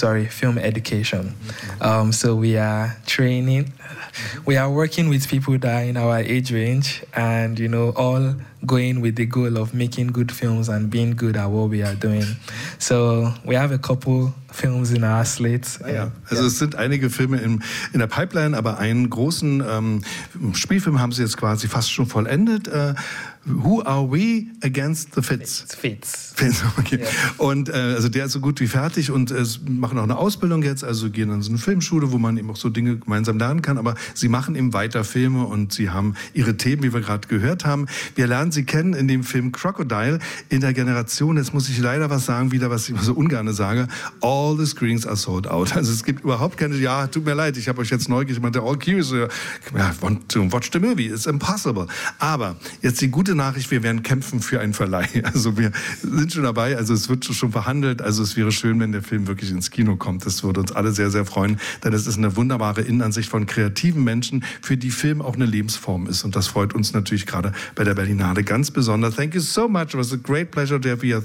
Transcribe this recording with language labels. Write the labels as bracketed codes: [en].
[en] Film education. So we are training. We are working with people that are in our age range and, you know, all going with the goal of making good films and being good at what we are doing. So we have a couple films in our slate. [de] Es sind einige Filme in der Pipeline, aber einen großen Spielfilm haben sie jetzt quasi fast schon vollendet. [en] Who Are We Against the Fits? Fits. Okay. Yeah. [de] Und also der ist so gut wie fertig und machen auch eine Ausbildung jetzt, also gehen an so eine Filmschule, wo man eben auch so Dinge gemeinsam lernen kann, aber sie machen eben weiter Filme und sie haben ihre Themen, wie wir gerade gehört haben. Wir lernen sie kennen in dem Film Crocodile in der Generation, jetzt muss ich leider was sagen, wieder was ich so ungern sage, [en] all the screens are sold out. [de] Also es gibt überhaupt keine, ja, tut mir leid, ich habe euch jetzt neugierig, ich meinte, [en] all curious, yeah, want to watch the movie, it's impossible. [de] Aber jetzt die gute Nachricht, wir werden kämpfen für einen Verleih. Also wir sind schon dabei, also es wird schon verhandelt, also es wäre schön, wenn der Film wirklich ins Kino kommt. Das würde uns alle sehr, sehr freuen, denn es ist eine wunderbare Innenansicht von kreativen Menschen, für die Film auch eine Lebensform ist und das freut uns natürlich gerade bei der Berlinale ganz besonders. [en] Thank you so much, it was a great pleasure to have you here.